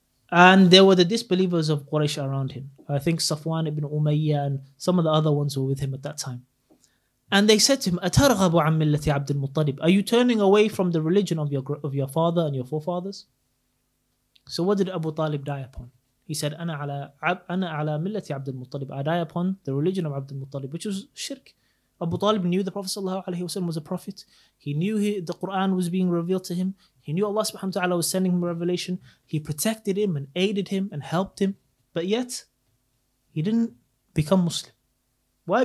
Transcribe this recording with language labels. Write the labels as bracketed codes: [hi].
[en] And there were the disbelievers of Quraysh around him. I think Safwan ibn Umayyah and some of the other ones were with him at that time. And they said to him, [ar] أَتَرْغَبُ عَمْ مِلَّةِ عَبْدِ الْمُطَّلِبِ [en] Are you turning away from the religion of your father and your forefathers? So what did Abu Talib die upon? He said, [ar] أنا على ملتي عبد المطلب. [en] I die upon the religion of عبد المطلب, which was shirk. Abu Talib knew the Prophet ﷺ was a prophet. He knew the Quran was being revealed to him. He knew Allah subhanahu wa ta'ala was sending him a revelation. He protected him and aided him and helped him. But yet, he didn't become Muslim. Why?